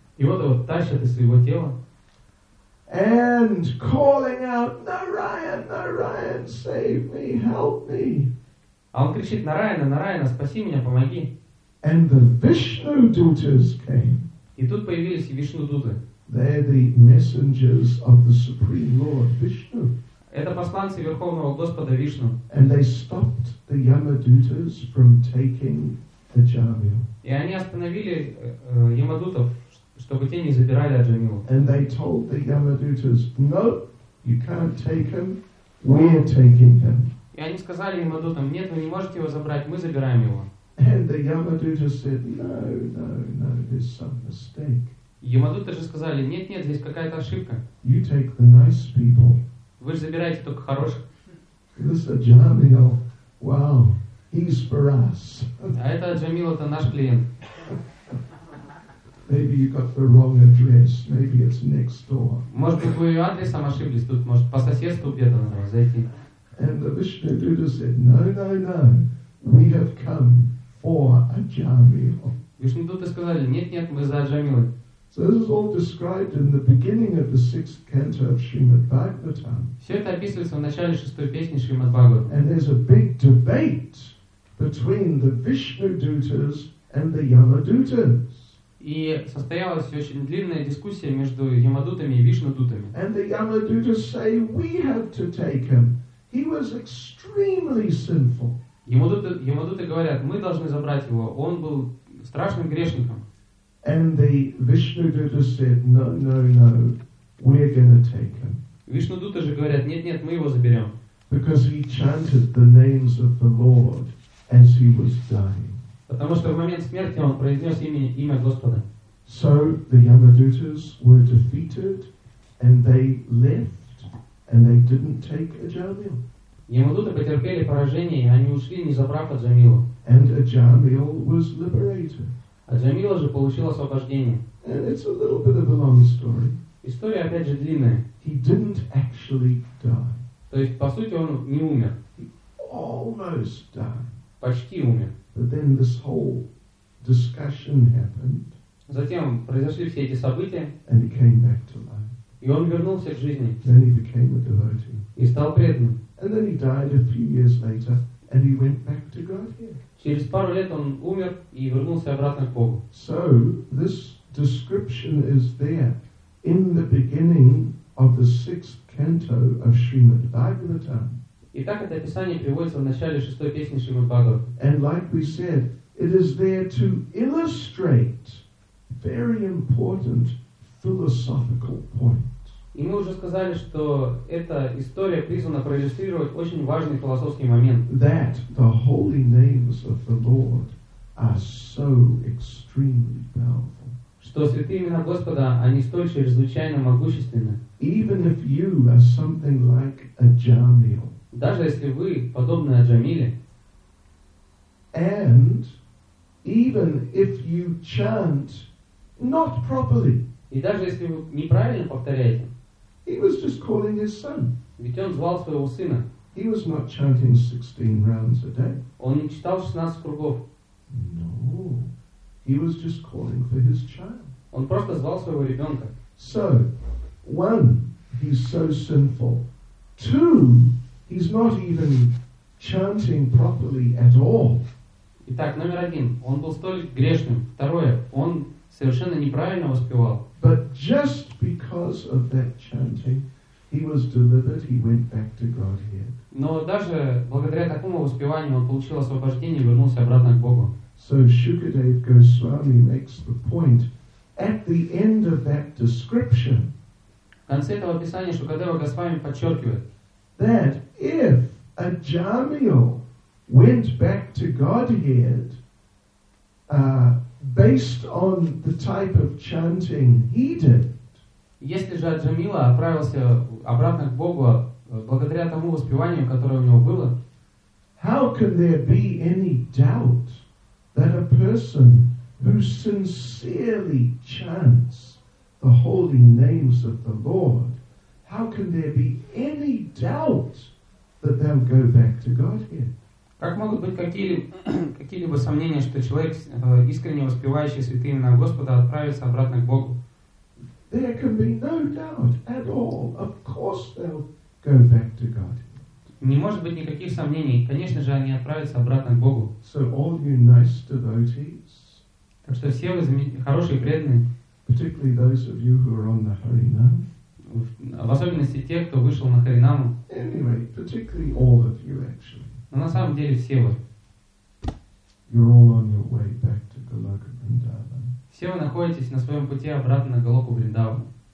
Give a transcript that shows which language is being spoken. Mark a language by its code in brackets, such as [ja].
[ru] И вот его тащат из своего тела. [en] And calling out, Narayan, Narayan, save me, help me. [ru] А он кричит, Narayan, Narayan, спаси меня, помоги. [en] And the Vishnu Dutas came. [ru] И тут появились Вишну Дуты. [en] They're the messengers of the Supreme Lord Vishnu. [ru] Это посланцы Верховного Господа Вишну. [en] And they stopped the Yamadutas from taking the Jamil. [ru] И они остановили Ямадутов, чтобы те не забирали Аджамилу. [en] And they told the Yamadutas, no, you can't take him, we're taking him. [ru] И они сказали Ямадутам, нет, вы не можете его забрать, мы забираем его. [en] And the Yamadutas said, no, there's some mistake. [ru] Ямадуты же сказали, нет, здесь какая-то ошибка. [en] You take the nice people. [ru] Вы же забираете только хороших. [en] This Аджамил, wow, he's for us. [ru] А это Аджамил, это наш клиент. [en] Maybe you got the wrong address. Maybe it's next door. [ru] Может быть, вы адресом ошиблись тут, может, по соседству где-то надо зайти. [en] And the Vishnu Duta said, no, we have come for Аджамил. [ru] Вишну Дуты сказали, нет, мы за Аджамилой. [en] So this is all described in the beginning of the sixth canto of Srimad Bhagavatam. [ru] Все это описывается в начале шестой песни Шримад Бхагаватам. [en] And there's a big debate between the Vishnu Dutas and the Yamadutas. [ru] И состоялась очень длинная дискуссия между Ямадутами и Вишнудутами. [en] And the Yamadutas say we have to take him. He was extremely sinful. [ru] Ямадуты говорят, мы должны забрать его. Он был страшным грешником. [en] And the Vishnu Duta said, no, we're going to take him. [ru] Вишну Дута же говорят, нет, мы его заберем. [en] Because he chanted the names of the Lord as he was dying. [ru] Потому что в момент смерти он произнес имя Господа. [en] So the Yamadutas were defeated and they left and they didn't take Ajamil. [ru] Ямадуты потерпели поражение, и они ушли, не забрав Аджамилу. [en] And Ajamil was liberated. [ru] Аджамила же получил освобождение. [en] And it's a little bit of a long story. [ru] История опять же длинная. [en] He didn't actually die. [ru] То есть, по сути, он не умер. [en] He almost died. [ru] Почти умер. [en] But then this whole discussion happened. [ru] Затем произошли все эти события. [en] And he came back to life. [ru] И он вернулся к жизни. [en] Then he became a devotee. [ru] И стал преданным. [en] And then he died a few years later. And he went back to God here. [ru] Через пару лет он умер и вернулся обратно к Богу. [en] So, this description is there in the beginning of the sixth canto of Srimad Bhagavatam. [ru] Итак, это описание приводится в начале шестой песни Шримад Бхагаватам. [en] And like we said, it is there to illustrate very important philosophical point. [ru] И мы уже сказали, что эта история призвана проиллюстрировать очень важный философский момент. [en] That the holy names of the Lord are so extremely powerful. [ru] Что святые имена Господа, они столь чрезвычайно могущественны. [en] Even if you are something like Ajamil. [ru] Даже если вы подобны Аджамиле. [en] And even if you chant not properly. [ru] И даже если вы неправильно повторяете. [en] He was just calling his son. [ru] Ведь он звал своего сына. [en] He was not chanting 16 rounds a day. [ru] Он не читал 16 кругов. [en] No. He was just calling for his child. [ru] Он просто звал своего ребенка. [en] So, one, he's so sinful. Two, he's not even chanting properly at all. [ru] Итак, номер один. Он был столь грешным. Второе, он совершенно неправильно воспевал. [en] But just because of that chanting, he was delivered. He went back to Godhead. [ru] Но даже благодаря такому воспеванию он получил освобождение и вернулся обратно к Богу. [en] So Shukadev Goswami makes the point at the end of that description. [ru] В конце этого описания Шукадева Госвами подчеркивает, [en] that if Ajamiyo went back to Godhead based on the type of chanting he did. [ru] Если же Аджамила отправился обратно к Богу благодаря тому воспеванию, которое у него было, [en] how can there be any doubt that a person who sincerely chants the holy names of the Lord, how can there be any doubt that they'll go back to Godhead? [ru] Как могут быть какие-либо сомнения, что человек, искренне воспевающий святые имена Господа, отправится обратно к Богу? [en] There can be no doubt at all. Of course they'll go back to God. [ru] Не может быть никаких сомнений. Конечно же, они отправятся обратно к Богу. [en] So all you nice devotees, [ru] так что все вы хорошие преданные, [en] particularly those of you who are on the Harinam, [ru] в особенности те, кто вышел на Харинаму. [en] Anyway, particularly all of you, actually. [ru] Но на самом деле все вы. [en] You're all on your way back to Goloka Vrindavan. [ru] Все вы находитесь на своем пути обратно на Голоку Вриндаван.